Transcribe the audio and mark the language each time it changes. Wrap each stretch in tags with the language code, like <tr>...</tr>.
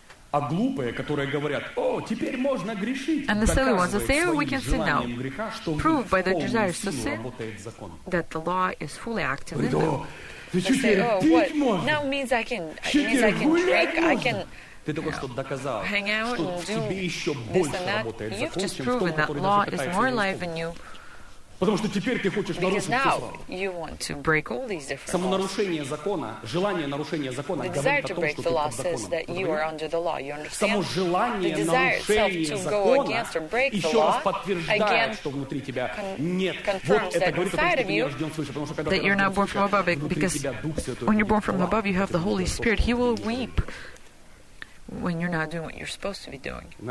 <ru>А глупые, которые говорят, о, теперь можно грешить,</ru> <en>and the silly ones are saying, we can sin now, proved by their desires to sin, that the law is fully active in them. They say, oh, what? Now means I can drink, I can hang out and do this and that. You've just proven that law is more alive in you.</en> <ru>Потому что теперь ты хочешь</ru> <en>because</en> <ru>нарушить все слова. Само нарушение закона, желание нарушения закона говорит о том, что ты под законом.</ru> <en>Law,</en> <ru>само желание нарушения закона еще раз подтверждает, что внутри тебя нет. Вот это говорит о том, что ты не рожден свыше. Потому что когда ты рожден свыше, внутри тебя Дух Святой.</ru> <en>When you're born from above, you have the Holy Spirit. He will weep when you're not doing what you're supposed to be doing.</en>